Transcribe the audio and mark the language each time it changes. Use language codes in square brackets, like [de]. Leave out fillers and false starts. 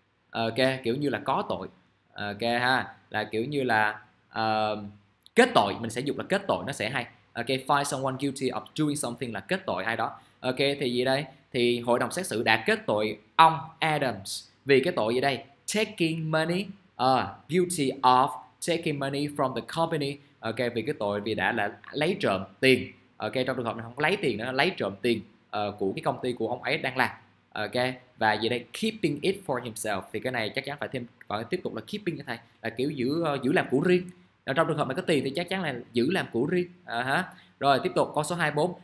[vi] Ok, kiểu như là có tội. Ok ha, là kiểu như là kết tội, mình sẽ dùng là kết tội, nó sẽ hay. Ok, [en] find someone guilty of doing something [vi] là kết tội ai đó. Ok, thì gì đây? Thì hội đồng xét xử đã kết tội ông Adams vì cái tội gì đây? [en] Taking money, guilty of taking money from the company. [vi] Ok, vì cái tội vì đã là lấy trộm tiền. Ok, trong trường hợp này không lấy tiền nữa, lấy trộm tiền của cái công ty của ông ấy đang làm. Ok, và gì đây? [en] Keeping it for himself. [vi] Thì cái này chắc chắn phải thêm, phải tiếp tục là keeping cho thầy, là kiểu giữ giữ làm của riêng. Trong trường hợp mà có tiền thì chắc chắn là giữ làm của riêng. Rồi tiếp tục câu số 24.